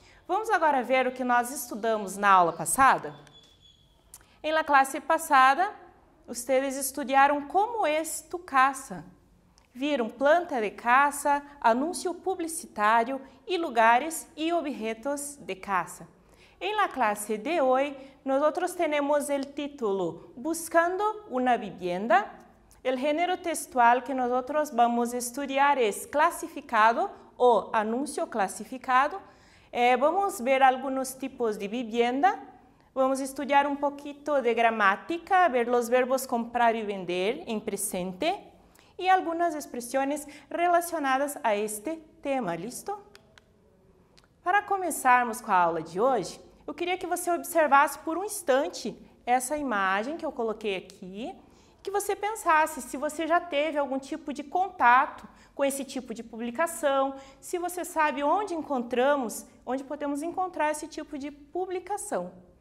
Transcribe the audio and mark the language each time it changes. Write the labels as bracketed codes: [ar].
[pt] Vamos agora ver o que nós estudamos na aula passada? [es] Em la clase passada, ustedes estudiaram como es tu casa. [pt] Viram planta de casa, anúncio publicitário e lugares e objetos de casa. [es] En la clase de hoy, nosotros tenemos el título Buscando una vivienda. El género textual que nosotros vamos a estudiar es clasificado o anuncio clasificado. Vamos ver algunos tipos de vivienda. Vamos a estudiar un poquito de gramática, ver los verbos comprar y vender en presente y algunas expresiones relacionadas a este tema, ¿listo? Para comenzarmos con la aula de hoy, [pt] eu queria que você observasse por um instante essa imagem que eu coloquei aqui, que você pensasse se você já teve algum tipo de contato com esse tipo de publicação, se você sabe onde encontramos, onde podemos encontrar esse tipo de publicação.